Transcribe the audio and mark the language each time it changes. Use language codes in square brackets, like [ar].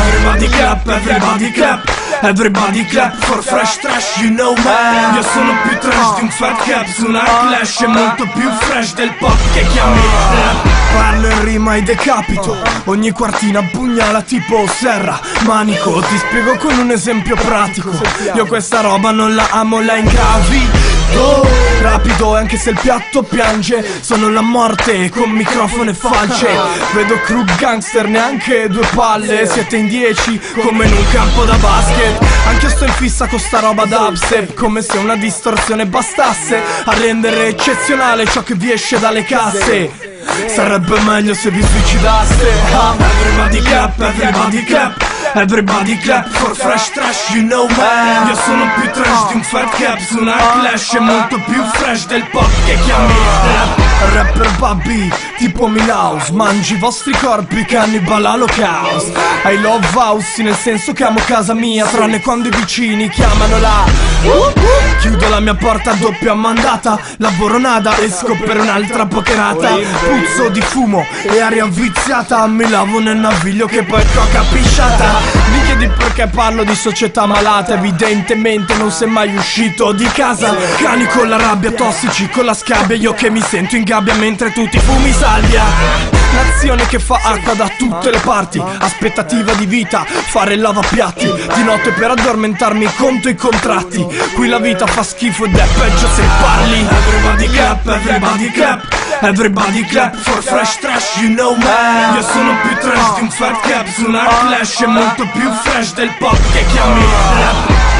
[en] Everybody clap, everybody clap, everybody clap for fresh trash, you know man. [it] Io sono più trash di un fat cap su una clash, e molto più fresh del pop che chiami rap. Parlo in rima e decapito, ogni quartina pugnala tipo serra. Manico, ti spiego con un esempio pratico, io questa roba non la amo, la incavi. Rapido, anche se il piatto piange, sono la morte con microfono e falce. Vedo crew gangster, neanche due palle, siete in dieci come in un campo da basket. Anche io sto in fissa con sta roba dubstep, come se una distorsione bastasse a rendere eccezionale ciò che vi esce dalle casse. Sarebbe meglio se vi suicidaste. [en] Everybody clap, everybody clap, everybody clap for fresh trash, you know man. [it] Io sono più trash di un fat cap su una clash, e molto più fresh del pop che chiami rap. Rapper Bobby, tipo Milhouse, mangi i vostri corpi, cannibal holocaust. [en] I love house, [it] nel senso che amo casa mia, tranne quando i vicini chiamano la. Chiudo la mia porta a doppia mandata, lavoro nada, esco per un'altra pokerata. Puzzo di fumo e aria viziata, mi lavo nel naviglio che poi è coca pisciata. Mi chiedi perché parlo di società malata, evidentemente non sei mai uscito di casa. Cani con la rabbia, tossici con la scabbia, io che mi sento in gabbia mentre tu ti fumi salvia. Nazione che fa acqua da tutte le parti, aspettativa di vita, fare il lavapiatti. Di notte per addormentarmi conto i contratti, qui la vita fa schifo ed è peggio se parli. [en] Everybody clap, everybody clap, everybody clap for fresh trash, you know man. [it] Io sono più trash di un fat cap su una clash, e molto più fresh del pop che chiami rap.